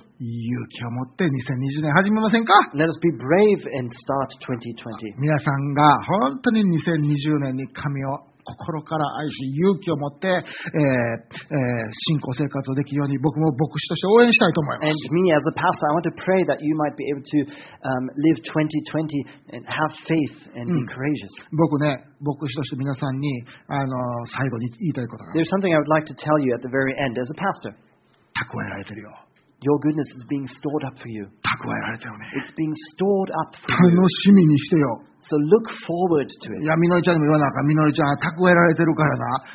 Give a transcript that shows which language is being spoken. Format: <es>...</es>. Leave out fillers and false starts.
<ja>勇気を持って2020年始めませんか</ja> <en>Let us be brave and start 2020.</en> <ja>皆さんが本当に2020年に神を心から愛し勇気を持って、信仰生活をできるように僕も牧師として応援したいと思います。</ja> <en>And me as a pastor, I want to pray that you might be able to live 2020 and have faith and be courageous.</en> <ja>僕ね、牧師として皆さんに最後に言いたいことがある。</ja> <en>There's something I would like to tell you at the very end as a pastor.</en> <ja>蓄えられてるよ。</ja> <en>Your goodness is being stored up for you.</en> <ja>蓄えられてるね。</ja> <en>It's being stored up for you.</en> <ja>楽しみにしてよ。</ja> <en>So look forward to it.</en> <ja>いや、みのりちゃんにも言わなあかん。みのりちゃん、蓄えられてるからな。</ja>